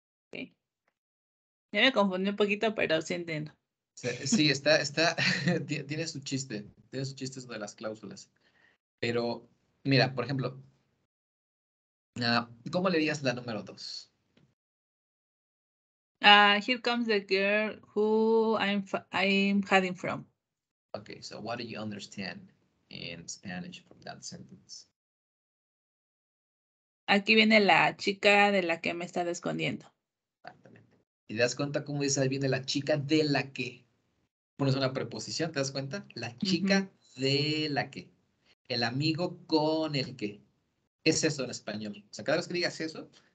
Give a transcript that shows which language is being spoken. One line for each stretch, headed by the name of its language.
Spanish: Sí. Ya me confundí un poquito, pero sí entiendo. Sí, está tiene su chiste. Tiene su chiste sobre las cláusulas. Pero, mira, por ejemplo, ¿cómo le dirías la número dos?
English: Here comes the girl who I'm hiding from. Okay, so what do you understand in Spanish from that sentence?
Spanish: Aquí viene la chica de la que me está escondiendo. Exactamente. ¿Y te das cuenta cómo dice ahí viene la chica de la que? Pones una preposición, ¿te das cuenta? La chica uh-huh. de la que. El amigo con el que. Es eso en español. O sea, cada vez que digas eso...